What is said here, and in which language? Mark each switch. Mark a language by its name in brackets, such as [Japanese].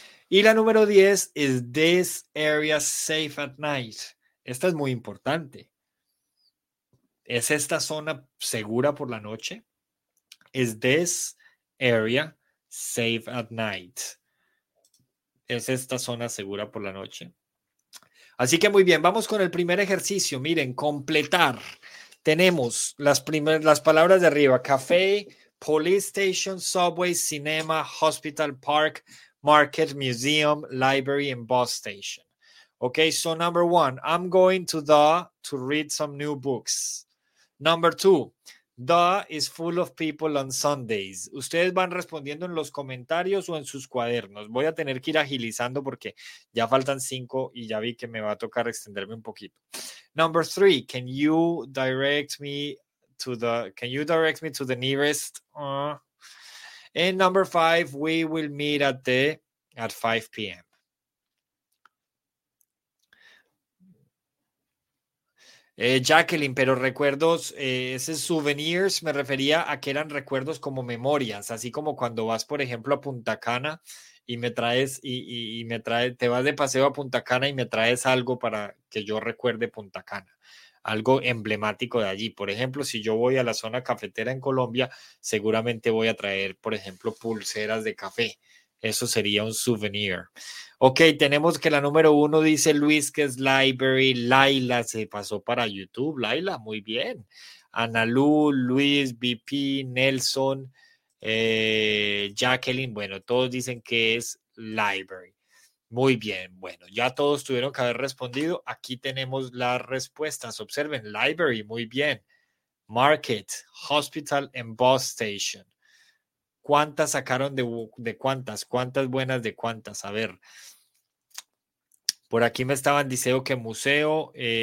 [Spanish] Y la número 10, [English] is this area safe at night? [Spanish] Esta es muy importante. ¿Es esta zona segura por la noche? [English] Is this area safe at night? [Spanish] ¿Es esta zona segura por la noche? Así que muy bien, vamos con el primer ejercicio. Miren, completar. Tenemos las palabras de arriba. [English] Café, police station, subway, cinema, hospital, park, market, museum, library, and bus station. Okay, so number one, I'm going to read some new books. Number two, The is full of people on Sundays. [Spanish] Ustedes van respondiendo en los comentarios o en sus cuadernos. Voy a tener que ir agilizando porque ya faltan 5 y ya vi que me va a tocar extenderme un poquito. [English] Number 3, can you direct me to the nearest? And number 5, we will meet at the at 5 p.m. [Spanish] Jacqueline, pero recuerdos, ese souvenirs me refería a que eran recuerdos como memorias, así como cuando vas, por ejemplo, a Punta Cana y me traes, y me traes, te vas de paseo a Punta Cana y me traes algo para que yo recuerde Punta Cana, algo emblemático de allí. Por ejemplo, si yo voy a la zona cafetera en Colombia, seguramente voy a traer, por ejemplo, pulseras de café. Eso sería un souvenir. Ok, tenemos que la número 1 dice Luis que es library. Laila se pasó para YouTube. Laila, muy bien. Analu, Luis, BP, Nelson, Jacqueline. Bueno, todos dicen que es library. Muy bien. Bueno, ya todos tuvieron que haber respondido. Aquí tenemos las respuestas. Observen, library, muy bien. [English] Market, hospital and bus station. [Spanish] ¿Cuántas sacaron de cuántas? ¿Cuántas buenas de cuántas? A ver. Por aquí me estaban diciendo que museo.